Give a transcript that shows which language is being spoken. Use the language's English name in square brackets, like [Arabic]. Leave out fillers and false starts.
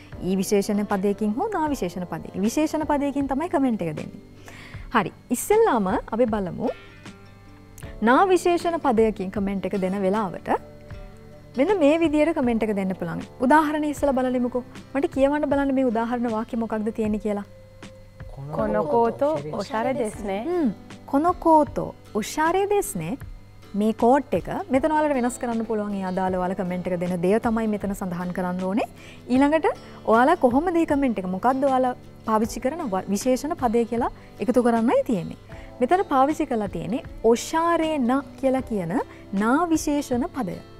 [Sinhala] ඊ විශේෂණ පදයකින් හෝ නා විශේෂණ පදයකින්. විශේෂණ පදයකින් තමයි කමෙන්ට් එක දෙන්නේ. හරි. ඉස්සෙල්ලාම අපි බලමු නා විශේෂණ පදයකින් කමෙන්ට් එක දෙන වෙලාවට මෙන්න මේ විදිහට කමෙන්ට් එක දෙන්න පුළුවන්. උදාහරණ ඉස්සෙල්ලා බලලිමුකෝ. මට කියවන්න බලන්න මේ උදාහරණ වාක්‍ය මොකක්ද තියෙන්නේ කියලා. [Japanese] このコートおしゃれですね。このコートおしゃれですね。 [Sinhala] මේ කෝට් එක මෙතන ඔයාලට වෙනස් කරන්න පුළුවන් ඒ අදාළ ඔයාලා කමෙන්ට් එක දෙන දේ තමයි මෙතන සඳහන් කරන්න ඕනේ. ඊළඟට ඔයාලා කොහොමද මේ කමෙන්ට් එක මොකද්ද ඔයාලා පාවිච්චි කරන විශේෂණ පදේ කියලා එකතු කරන්නයි තියෙන්නේ. මෙතන පාවිච්චි කරලා තියෙන්නේ ඔෂාරේන කියලා කියන නා විශේෂණ පදය.